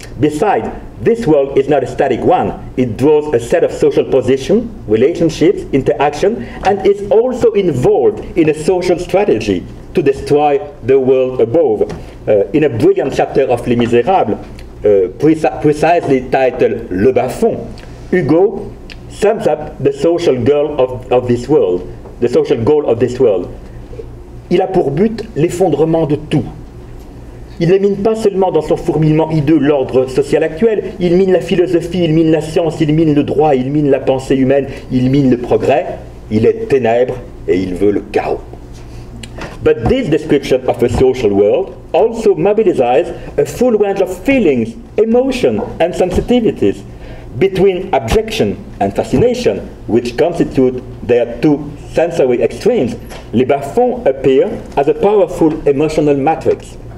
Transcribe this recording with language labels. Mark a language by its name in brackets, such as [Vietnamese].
[English] Besides, this world is not a static one. It draws a set of social positions, relationships, interaction, and is also involved in a social strategy to destroy the world above. In a brilliant chapter of Les Misérables, precisely titled Le Bas-Fonds, Hugo sums up the social goal of this world, the social goal of this world. [French] Il a pour but l'effondrement de tout. Il ne mine pas seulement dans son fourmillement hideux l'ordre social actuel, il mine la philosophie, il mine la science, il mine le droit, il mine la pensée humaine, il mine le progrès, il est ténèbres et il veut le chaos. [English] But this description of a social world also mobilizes a full range of feelings, emotions and sensitivities between abjection and fascination, which constitute their two sensory extremes. Les Bas-Fonds appear as a powerful emotional matrix.